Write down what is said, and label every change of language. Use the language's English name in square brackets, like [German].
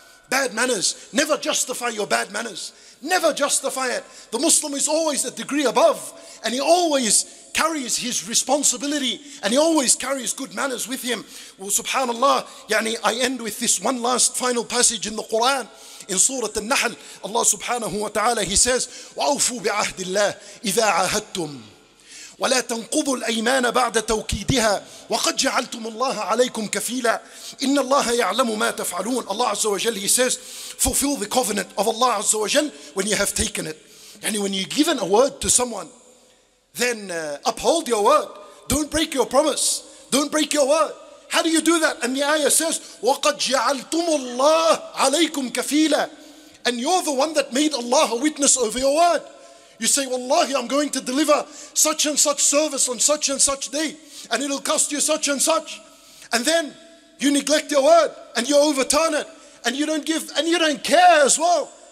[English] Bad manners, never justify your bad manners. Never justify it. The Muslim is always a degree above, and he always carries his responsibility, and he always carries good manners with him. Well, subhanallah, yani I end with this one last final passage in the Quran. In Surah An-Nahl, Allah subhanahu wa ta'ala, he says, [Arabic] وَأَوْفُوا بِعَهْدِ اللَّهِ إِذَا عَهَدْتُمْ وَلَا تَنْقُضُوا الْأَيْمَانَ بَعْدَ تَوْكِيدِهَا وَقَدْ جَعَلْتُمُ اللَّهَ عَلَيْكُمْ كَفِيلًا إِنَّ اللَّهَ يَعْلَمُ مَا تَفْعَلُونَ. [English] Allah Azza wa Jal, he says, fulfill the covenant of Allah Azza wa Jal when you have taken it. Yani when you've given a word to someone, then uphold your word. Don't break your promise. Don't break your word. How do you do that? And the ayah says, [Arabic] وَقَدْ جَعَلْتُمُ اللَّهَ عَلَيْكُمْ كَفِيلًا. [English] And you're the one that made Allah a witness over your word. You say, wallahi, I'm going to deliver such and such service on such and such day, and it'll cost you such and such. And then you neglect your word, and you overturn it, and you don't give, and you don't care as well.